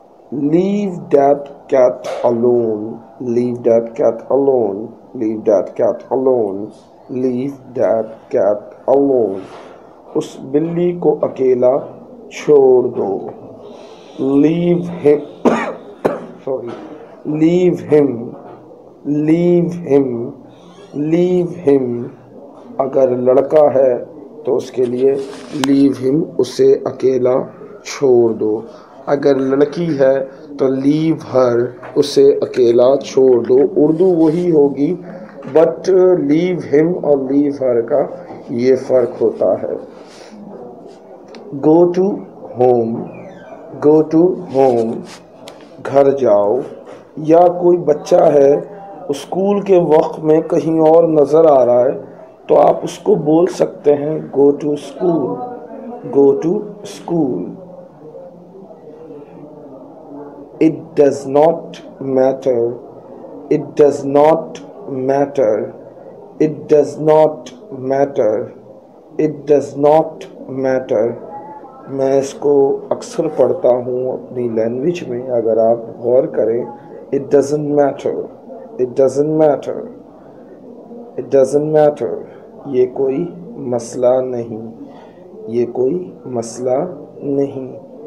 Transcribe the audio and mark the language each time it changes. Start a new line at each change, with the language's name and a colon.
English: Leave that cat alone, leave that cat alone, leave that cat alone, leave that cat alone.
Urdu: اس بلی کو اکیلا چھوڑ دو.
English: Leave him, sorry, leave him, leave him, leave him.
Urdu: اگر لڑکا ہے تو اس کے لیے
English: leave him,
Urdu: اسے اکیلا چھوڑ دو. اگر لڑکی ہے تو لیو ہر, اسے اکیلا چھوڑ دو. اردو وہی ہوگی بٹ لیو ہم اور لیو ہر کا یہ فرق ہوتا ہے.
English: go to home, go to home,
Urdu: گھر جاؤ. یا کوئی بچہ ہے اسکول کے وقت میں کہیں اور نظر آ رہا ہے تو آپ اس کو بول سکتے ہیں
English: Go to school, go to school. It does not matter, it does not matter, it does not matter, it does not matter.
Urdu: میں اس کو اکثر پڑھتا ہوں اپنی لینگویج میں, اگر آپ غور کریں,
English: it doesn't matter, it doesn't matter,
Urdu: it doesn't matter. یہ کوئی مسئلہ نہیں, یہ کوئی مسئلہ نہیں.